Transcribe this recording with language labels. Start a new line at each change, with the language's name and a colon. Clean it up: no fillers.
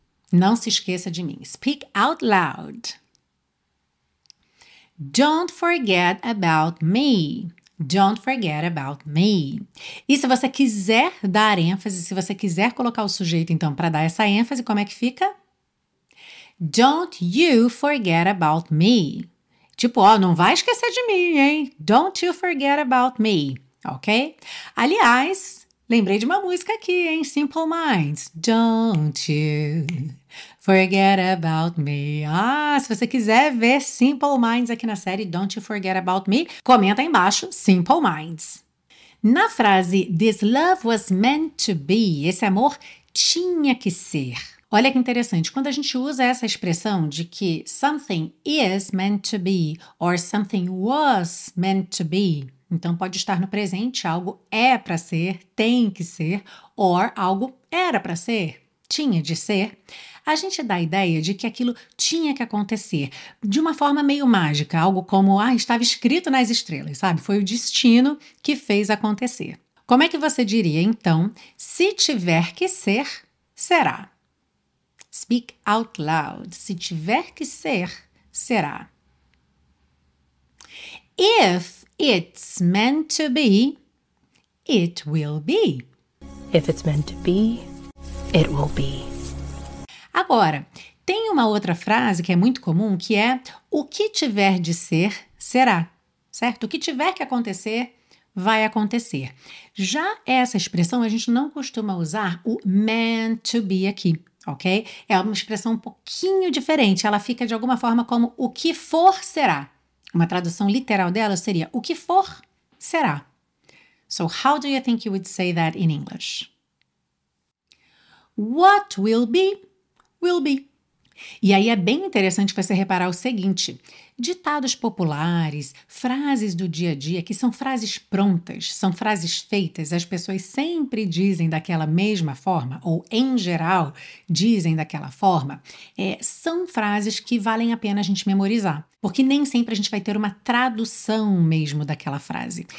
Portuguese: Não se esqueça de mim.
English: Speak out loud. Don't forget about me. Don't forget about me.
Portuguese: E se você quiser dar ênfase, se você quiser colocar o sujeito, então, para dar essa ênfase, como é que fica?
English: Don't you forget about me.
Portuguese: Tipo, ó, não vai esquecer de mim, hein?
English: Don't you forget about me. Ok?
Portuguese: Aliás, lembrei de uma música aqui, hein?
English: Simple Minds. Don't you forget about me.
Portuguese: Ah, se você quiser ver Simple Minds aqui na série Don't You Forget About Me, comenta aí embaixo, Simple Minds. Na frase
English: This love was meant to be,
Portuguese: esse amor tinha que ser. Olha que interessante, quando a gente usa essa expressão de que
English: something is meant to be
Portuguese: or something was meant to be, então pode estar no presente, algo é para ser, tem que ser, or algo era para ser, tinha de ser, a gente dá a ideia de que aquilo tinha que acontecer de uma forma meio mágica, algo como, ah, estava escrito nas estrelas, sabe? Foi o destino que fez acontecer. Como é que você diria, então, se tiver que ser, será?
English: Speak out loud.
Portuguese: Se tiver que ser, será.
English: If it's meant to be, it will be. If it's meant to be, it will be.
Portuguese: Agora, tem uma outra frase que é muito comum, que é o que tiver de ser, será, certo? O que tiver que acontecer, vai acontecer. Já essa expressão, a gente não costuma usar o meant to be aqui, ok? É uma expressão um pouquinho diferente, ela fica de alguma forma como o que for, será. Uma tradução literal dela seria o que for, será.
English: So, how do you think you would say that in English? What will be.
Portuguese: E aí é bem interessante você reparar o seguinte, ditados populares, frases do dia a dia, que são frases prontas, são frases feitas, as pessoas sempre dizem daquela mesma forma, ou em geral dizem daquela forma, são frases que valem a pena a gente memorizar, porque nem sempre a gente vai ter uma tradução mesmo daquela frase.